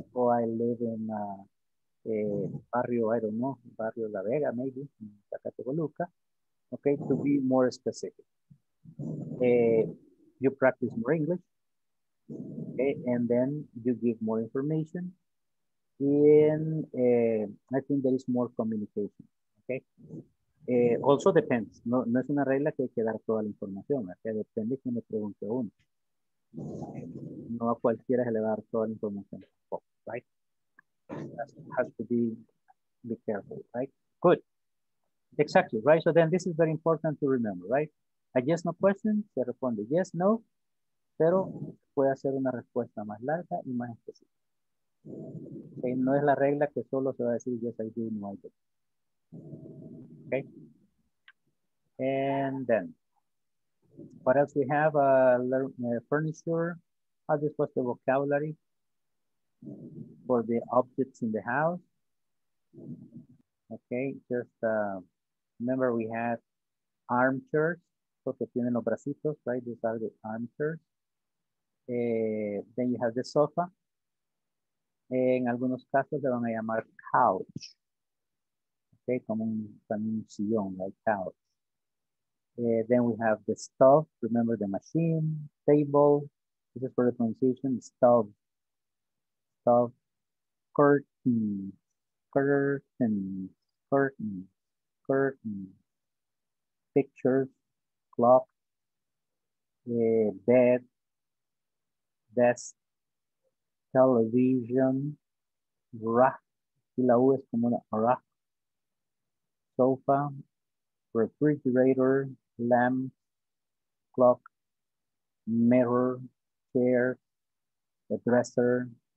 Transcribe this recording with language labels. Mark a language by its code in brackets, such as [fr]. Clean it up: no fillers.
[en] Or I live in barrio, I don't know, barrio La Vega, maybe, in Zacatecoluca. Okay, to be more specific. You practice more English, okay, and then you give more information, and I think there is more communication, okay? Also depends, [es] no es una regla que hay que dar toda la información, okay? Depende quién le pregunte a uno. No a cualquiera se le va a dar toda la información, right? [en] Has to be careful, right? Good. Exactly, right? So then this is very important to remember, right? A yes, no question, [es] se responde yes, no, pero puede hacer una respuesta más larga y más específica. Okay? No es la regla que solo se va a decir [en] yes, I do, no, I do. Okay? And then, what else we have? Furniture, how this was the vocabulary for the objects in the house. Okay, just remember we had armchairs, [es] porque tienen los bracitos, [en] right? These are the armchairs. Then you have the sofa. [es] En algunos casos le van a llamar couch. Okay, como un sillón, [en] like couch. Then we have the stove, remember the machine, table. This is for the pronunciation, stove. Of curtain, pictures, clock, bed, desk, television, rack, [es] y la U es como una [en] rack, sofa, refrigerator, lamp, clock, mirror, chair, a dresser,